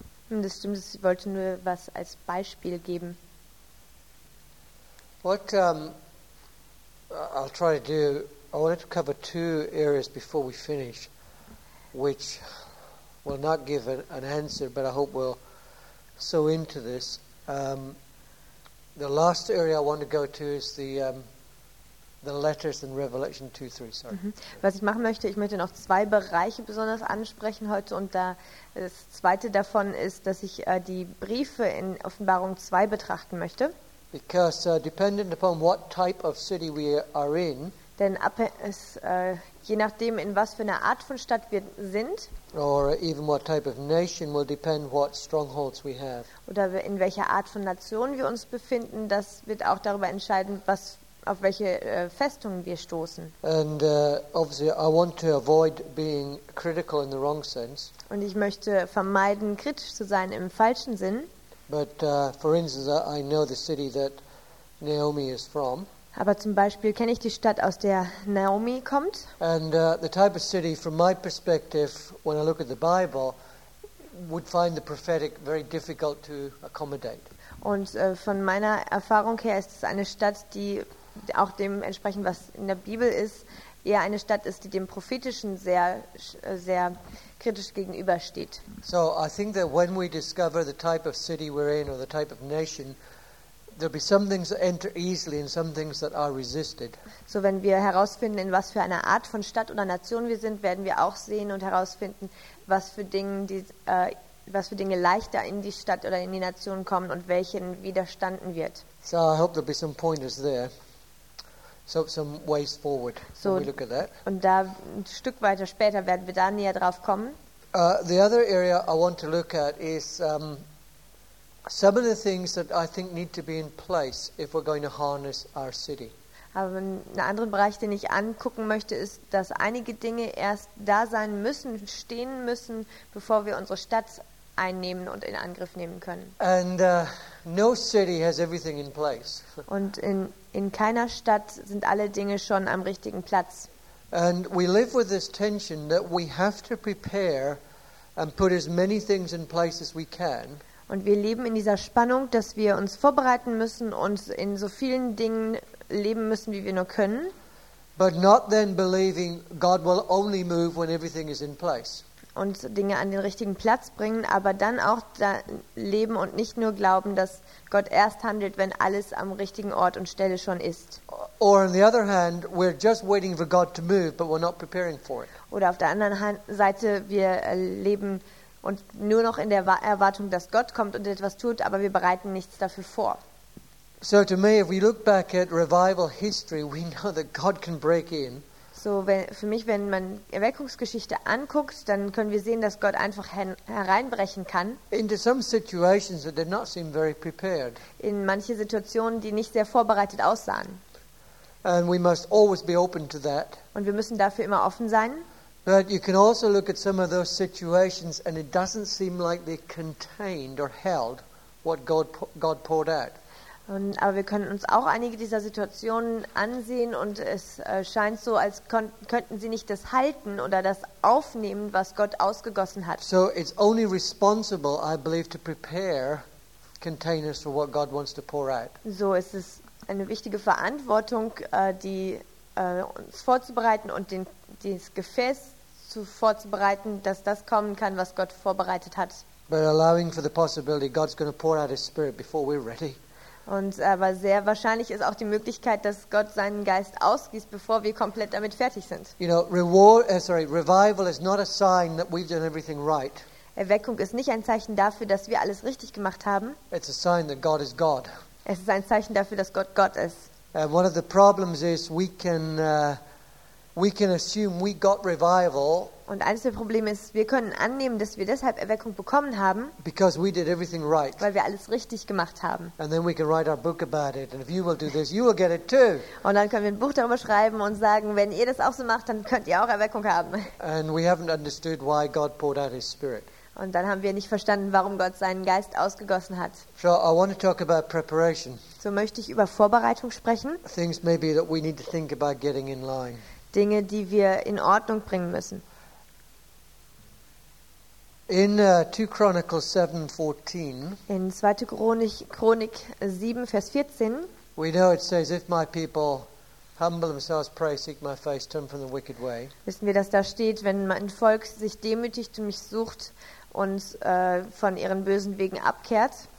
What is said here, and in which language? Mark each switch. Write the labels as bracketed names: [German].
[German] Das stimmt, ich wollte nur was als Beispiel geben. [English] What I'll try to do, I want to cover two areas before we finish, which will not give an answer, but I hope we'll sow into this. The last area I want to go to is the letters in Revelation 2-3, sorry. Mm-hmm. [German] Was ich machen möchte, ich möchte noch zwei Bereiche besonders ansprechen heute, und da das zweite davon ist, dass ich die Briefe in Offenbarung 2 betrachten möchte. [English] Because dependent upon what type of city we are in, [German] denn je nachdem, in was für einer Art von Stadt wir sind, [English] or even what type of nation, will depend what strongholds we have. [German] Oder in welcher Art von Nation wir uns befinden, das wird auch darüber entscheiden, was auf welche Festungen wir stoßen. [English] And obviously, I want to avoid being critical in the wrong sense. [German] Und ich möchte vermeiden, kritisch zu sein im falschen Sinn. [English] But for instance, I know the city that Naomi is from. [German] Aber zum Beispiel kenne ich die Stadt, aus der Naomi kommt. [English] And the type of city, from my perspective, when I look at the Bible, would find the prophetic very difficult to accommodate. [German] Und von meiner Erfahrung her ist es eine Stadt, die auch dementsprechend, was in der Bibel ist, eher eine Stadt ist, die dem Prophetischen sehr, sehr kritisch gegenübersteht. [English] So, I think that when we discover the type of city we're in or the type of nation, there'll be some things that enter easily and some things that are resisted. [German] So, wenn wir herausfinden, in was für einer Art von Stadt oder Nation wir sind, werden wir auch sehen und herausfinden, was für Dinge leichter in die Stadt oder in die Nation kommen und welchen widerstanden wird. [English] So, I hope there'll be some pointers there. So, some ways forward. So, when we look at that. [German] Und da ein Stück weiter später werden wir da näher drauf kommen. [English] The other area I want to look at is some of the things that I think need to be in place if we're going to harness our city. [German] Aber einen anderen Bereich, den ich angucken möchte, ist, dass einige Dinge erst da sein müssen, stehen müssen, bevor wir unsere Stadt einnehmen und in Angriff nehmen können. [English] And no city has everything in place. [German] Und in keiner Stadt sind alle Dinge schon am richtigen Platz. [English] And we live with this tension that we have to prepare and put as many things in place as we can. [German] Und wir leben in dieser Spannung, dass wir uns vorbereiten müssen und in so vielen Dingen leben müssen, wie wir nur können. [English] But not then believing God will only move when everything is in place. [German] Und Dinge an den richtigen Platz bringen, aber dann auch da leben und nicht nur glauben, dass Gott erst handelt, wenn alles am richtigen Ort und Stelle schon ist. [English] Or on the other hand, we're just waiting for God to move, but we're not preparing for it. [German] Oder auf der anderen Seite, wir leben und nur noch in der Erwartung, dass Gott kommt und etwas tut, aber wir bereiten nichts dafür vor. [English] So to me, if we look back at revival history, we know that God can break in. [German] So wenn, für mich, wenn man Erweckungsgeschichte anguckt, dann können wir sehen, dass Gott einfach hereinbrechen kann. [English] Into some situations that did not seem very prepared. [German] In manche Situationen, die nicht sehr vorbereitet aussahen. [English] And we must always be open to that. [German] Und wir müssen dafür immer offen sein. [English] But you can also look at some of those situations and it doesn't seem like they contained or held what God poured out. [German] Und, aber wir können uns auch einige dieser Situationen ansehen und es scheint so, als könnten sie nicht das halten oder das aufnehmen, was Gott ausgegossen hat. [English] So it's only responsible, I believe, to prepare containers for what God wants to pour out. [German] So ist es eine wichtige Verantwortung, die uns vorzubereiten und das Gefäß zu vorzubereiten, dass das kommen kann, was Gott vorbereitet hat. [English] But allowing for the possibility God's going to pour out his spirit before we're ready. [German] Und aber sehr wahrscheinlich ist auch die Möglichkeit, dass Gott seinen Geist ausgießt, bevor wir komplett damit fertig sind. [English] You know, revival is not a sign that we've done everything right. [German] Erweckung ist nicht ein Zeichen dafür, dass wir alles richtig gemacht haben. [English] It's a sign that God is God. [German] Es ist ein Zeichen dafür, dass Gott Gott ist. [English] And one of the problems is we can assume we got revival. [German] Und eines der Probleme ist, wir können annehmen, dass wir deshalb Erweckung bekommen haben. [English] Because we did everything right. [German] Weil wir alles richtig gemacht haben. [English] And then we can write our book about it. And if you will do this, you will get it too. [German] Und dann können wir ein Buch darüber schreiben und sagen, wenn ihr das auch so macht, dann könnt ihr auch Erweckung haben. [English] And we haven't understood why God poured out His Spirit. [German] Und dann haben wir nicht verstanden, warum Gott seinen Geist ausgegossen hat. [English] So, I want to talk about preparation. [German] So möchte ich über Vorbereitung sprechen. [English] Things maybe that we need to think about getting in line. [German] Dinge, die wir in Ordnung bringen müssen. [English] In 2 Chronicles 7:14. [German] In 2. Chronik 7 Vers 14. [English] We know it says, if my people humble themselves, pray, seek my face, turn from the wicked way. [German] Wissen wir, dass da steht, wenn mein Volk sich demütigt und mich sucht und von ihren bösen Wegen abkehrt.